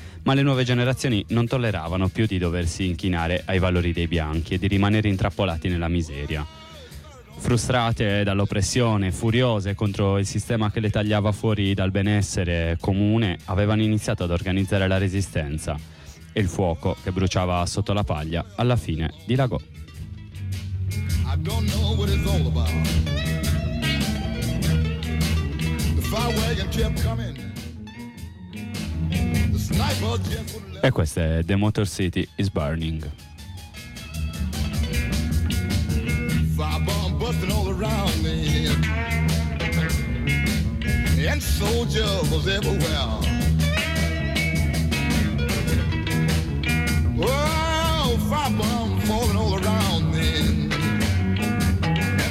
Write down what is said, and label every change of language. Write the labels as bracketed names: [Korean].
[Italian] Ma le nuove generazioni non tolleravano più di doversi inchinare ai valori dei bianchi e di rimanere intrappolati nella miseria. Frustrate dall'oppressione, furiose contro il sistema che le tagliava fuori dal benessere comune, avevano iniziato ad organizzare la resistenza. E il fuoco che bruciava sotto la paglia alla fine dilagò. [English] I don't know what it's all about. The fire wagon kept coming. The sniper jet. [Italian] E questa è The Motor City is Burning. [English] Firebomb busting all around me. And soldiers was everywhere. Oh, firebomb falling all around me.